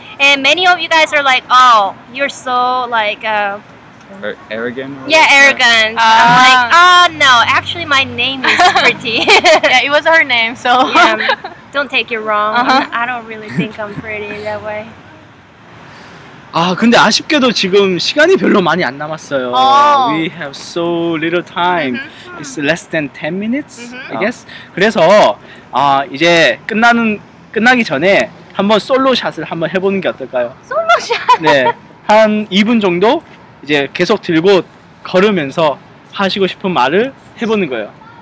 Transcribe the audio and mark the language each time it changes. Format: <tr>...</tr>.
<en>And many of you guys are like, oh, you're so like... Arrogant? Yeah, arrogant. I'm like, oh, no, actually my name is pretty. Yeah, it was her name, so... Yeah, don't take it wrong. Uh-huh. I don't really think I'm pretty that way.</en> <ko>아 근데 아쉽게도 지금 시간이 별로 많이 안 남았어요.</ko> <en>Oh. We have so little time. Mm-hmm. It's less than 10 minutes, mm-hmm. I guess.</en> <ko>그래서 이제 끝나기 전에 한번 솔로 샷을 한번 해보는 게 어떨까요? 솔로 샷? 네, 한 2분 정도 이제 계속 들고 걸으면서 하시고 싶은 말을 해보는 거예요.</ko>